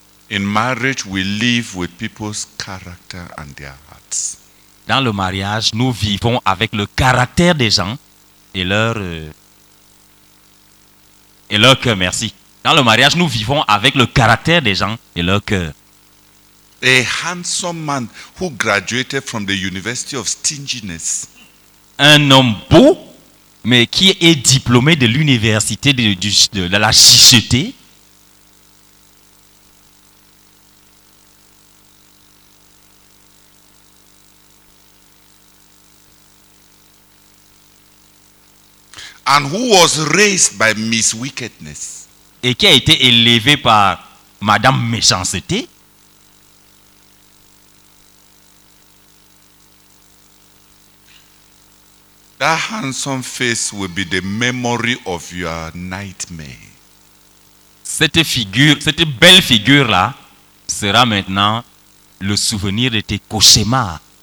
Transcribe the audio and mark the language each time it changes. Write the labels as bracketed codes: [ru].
[en] In marriage, we live with people's character and their hearts. [fr] Dans le mariage, nous vivons avec le caractère des gens et leur cœur. Merci. Dans le mariage, nous vivons avec le caractère des gens et leur cœur. [en] A handsome man who graduated from the University of Stinginess. [fr] Un homme beau, mais qui est diplômé de l'université de la chicheté. [en] And who was raised by Miss Wickedness. [fr] Et qui a été élevé par Madame Méchanceté. [en] That handsome face will be the memory of your nightmare. [fr] Cette belle figure là sera maintenant le souvenir de tes cauchemars.